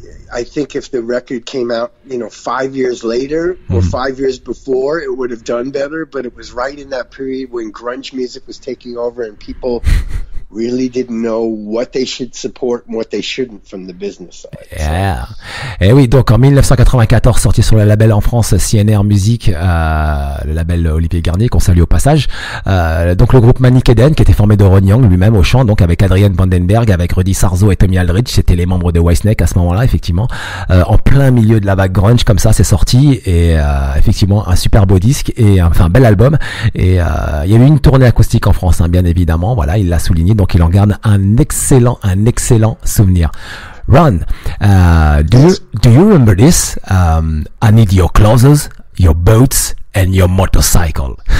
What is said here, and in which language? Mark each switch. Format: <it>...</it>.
<en>I think if the record came out, you know, 5 years later or 5 years before, it would have done better. But it was right in that period when grunge music was taking over and people really didn't know what they should support and what they shouldn't from the business side.</en> <fr>Yeah. Et oui, donc en 1994, sorti sur le label en France CNR Music, le label Olivier Garnier, qu'on salue au passage. Donc le groupe Manic Eden, qui était formé de Ron Young lui-même au chant, donc avec Adrian Vandenberg, avec Rudy Sarzo et Tommy Aldridge, c'était les membres de Whitesnake à ce moment-là, effectivement. En plein milieu de la vague grunge, comme ça, c'est sorti. Et effectivement, un super beau disque et enfin un bel album. Et il y a eu une tournée acoustique en France, hein, bien évidemment. Voilà, il l'a souligné, donc il en garde un excellent souvenir.</fr> <en>Ron, do you remember this? I need your clothes, your boots, and your motorcycle.</en>